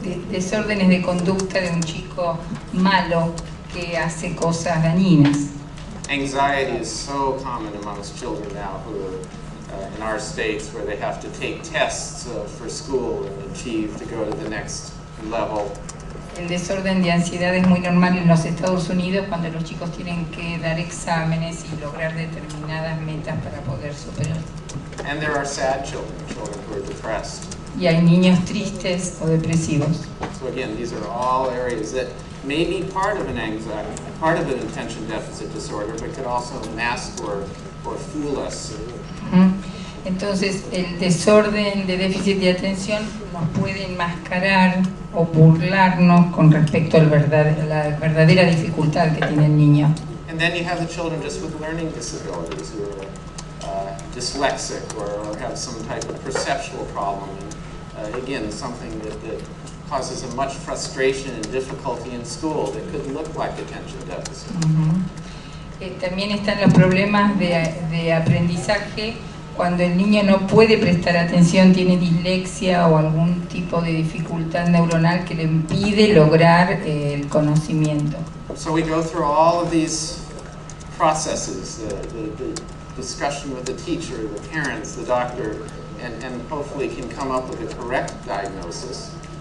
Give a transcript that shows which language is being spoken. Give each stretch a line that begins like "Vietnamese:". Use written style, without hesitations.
Spanish: Desórdenes de conducta de un chico malo que hace cosas dañinas.
English: Anxiety is so common amongst children now who are in our states where they have to take tests for school and achieve to go to the next level.
Spanish: El desorden de ansiedad es muy normal en los Estados Unidos cuando los chicos tienen que dar exámenes y lograr determinadas metas para poder superar.
English: And there are sad children who are depressed.
Spanish: y hay niños tristes o depresivos.
English: So again, these are all areas that may be part of an anxiety, part of an attention deficit disorder, but could also mask or fool us.
Spanish: Entonces, el desorden de déficit de atención nos puede enmascarar o burlarnos con respecto a la verdadera dificultad que tiene el niño.
English: And then you have the children just with learning disabilities, who are dyslexic or have some type of perceptual problem. And, again, something that causes a much frustration and difficulty in school that could look like attention deficit.
Spanish: También están los problemas de aprendizaje. Cuando el niño no puede prestar atención, tiene dislexia o algún tipo de dificultad neuronal que le impide lograr el conocimiento.
English: So we go through all of these processes, the discussion with the teacher, the parents, the doctor, and hopefully can come up with a correct diagnosis.